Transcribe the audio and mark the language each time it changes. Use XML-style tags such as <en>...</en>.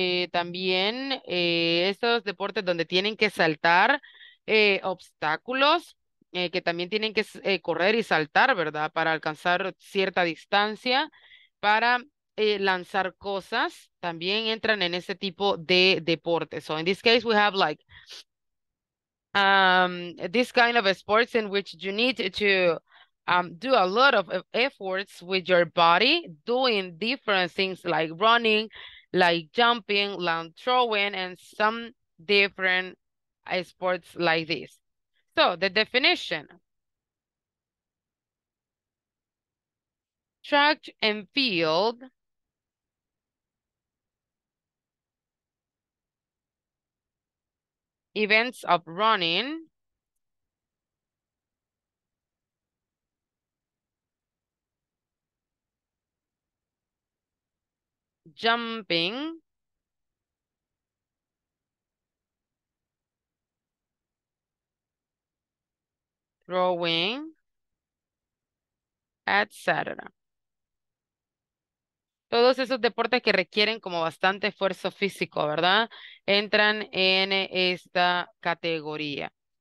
<es>También estos deportes donde tienen que saltar obstáculos, que también tienen que correr y saltar, ¿verdad?, para alcanzar cierta distancia, para lanzar cosas, también entran en ese tipo de deportes.</es> <en>So in this case we have like this kind of sports in which you need to do a lot of efforts with your body, doing different things like running, like jumping, long throwing, and some different sports like this. So, the definition. Track and field events of running jumping throwing etc.</en> <es>Todos esos deportes que requieren como bastante esfuerzo físico, ¿verdad?, entran en esta categoría.</es>